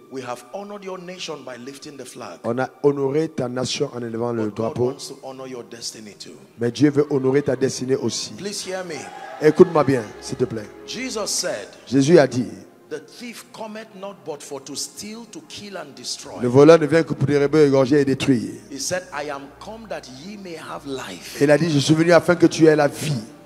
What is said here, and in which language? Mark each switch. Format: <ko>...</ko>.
<en>We have honored your nation by lifting the flag.</en> <fr>On a honoré ta nation en élevant</fr> <en>but</en> <fr>le drapeau.</fr> <en>God wants to honor your destiny too.</en> <fr>Mais Dieu veut honorer ta destinée aussi.</fr> <en>Please hear me.</en> <fr>Écoute-moi bien, s'il te plaît.</fr> <en>Jesus said.</en> <fr>Jésus a dit.</fr> <en>The thief cometh not but for to steal, to kill and destroy.</en> <fr>Le voleur ne vient que pour dérober, égorger et détruire.</fr> <en>He said, I am come that ye may have life.</en> <fr>Il a dit, je suis venu afin que tu aies la vie.</fr>